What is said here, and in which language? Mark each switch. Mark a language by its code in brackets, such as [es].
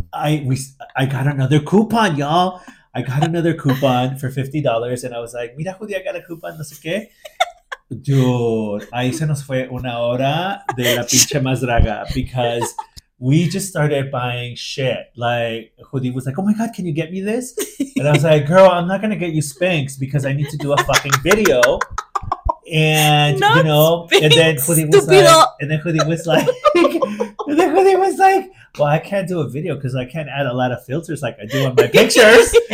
[en] I got another coupon, y'all. I got another coupon for $50 and I was like, [es] mira, Judy, [en] I got a coupon, [es] no sé qué. Dude, ahí se nos fue una hora de la pinche Mazdraga [en] because we just started buying shit. Like, Judy was like, oh my God, can you get me this? And I was like, girl, I'm not going to get you Spanx because I need to do a fucking video. And, not you know, Spanx, and then Judy was [es] stupido. [en] Like, and then Judy was like, and then Judy was like, well, I can't do a video because I can't add a lot of filters like I do on my pictures.